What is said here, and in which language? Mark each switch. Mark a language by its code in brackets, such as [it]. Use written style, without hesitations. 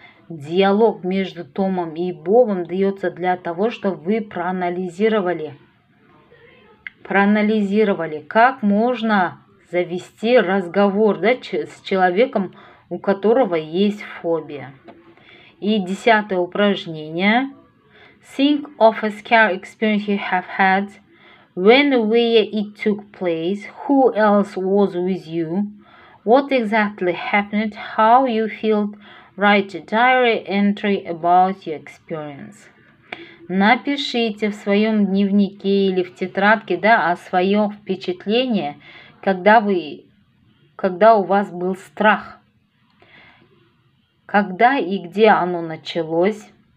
[ru] Диалог между Томом и Бобом дается для того, чтобы вы проанализировали, как можно завести разговор, да, с человеком, у которого есть фобия. И 10-е упражнение. [en] Think of a scary experience you have had, when, where it took place, who else was with you, what exactly happened, how you felt. Write a diary entry about your experience. [ru] Напишите в своем дневнике или в тетрадке, да, о своем впечатлении, когда у вас был страх. Когда и где оно началось?